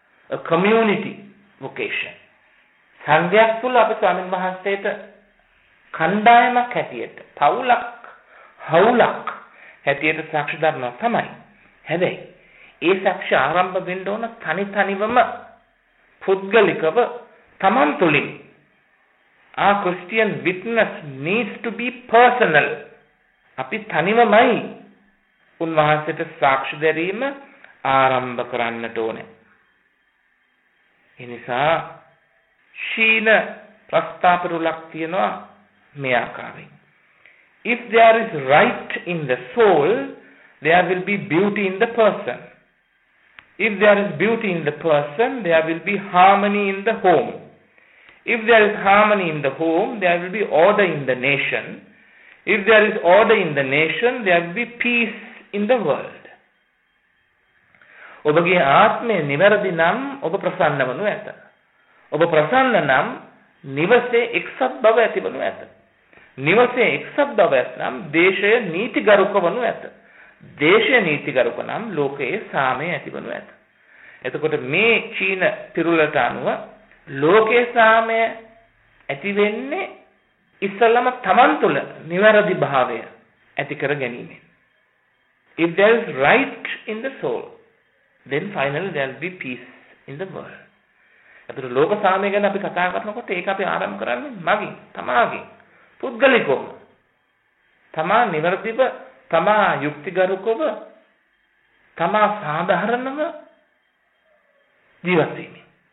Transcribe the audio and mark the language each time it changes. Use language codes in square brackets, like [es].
[en] A community vocation. [si] සංඝයාක් තුල අපි ස්වාමින් වහන්සේට කණ්ඩායමක් හැටියට පවුලක් හවුලක් හැටියට සාක්ෂි දරනවා තමයි. හැබැයි ඒ සාක්ෂි ආරම්භ වෙන්න ඕන තනි තනිවම පුද්ගලිකව තමන් තුළින්. [en] Ah, Christian witness needs to be personal. [si] අපි තනිවමයි උන්වහන්සේට සාක්ෂි දෙරීම ආරම්භ කරන්නට ඕනේ. එනිසා ශීන ප්‍රස්ථාපරුලක් තියෙනවා මේ ආකාරයෙන්. [en] If there is right in the soul, there will be beauty in the person. If there is beauty in the person, there will be harmony in the home. If there is harmony in the home, there will be order in the nation. If there is order in the nation, there will be peace in the world. [si] ඔබගේ ආත්මය නිවැරදි නම් ඔබ ප්‍රසන්නවනු ඇත. ඔබ ප්‍රසන්න නම් නිවසේ එක්සත් බව ඇතිවනු ඇත. නිවසේ එක්සත් බව ඇතනම් දේශය නීතිගරුක වනු ඇත. දේශය නීතිගරුක නම් ලෝකයේ සාමය ඇතිවනු ඇත. එතකොට මේ චීන පිරුලට අනුව ලෝකයේ සාමය ඇති වෙන්නේ ඉස්සලම තමන් තුළ නිවැරදි භාවය ඇති කර ගැනීමෙන්. [en] If there is right in the soul, then finally there will be peace in the world. [si] අපේ ලෝක සාමය ගැන අපි කතා කරනකොට ඒක අපි ආරම්භ කරන්නේ මගින්, තමාගෙන්, පුද්ගලිකව. තමා නිවැරදිව, තමා යුක්තිගරුකව, තමා සාධාරණව ජීවත් වෙන්නේ.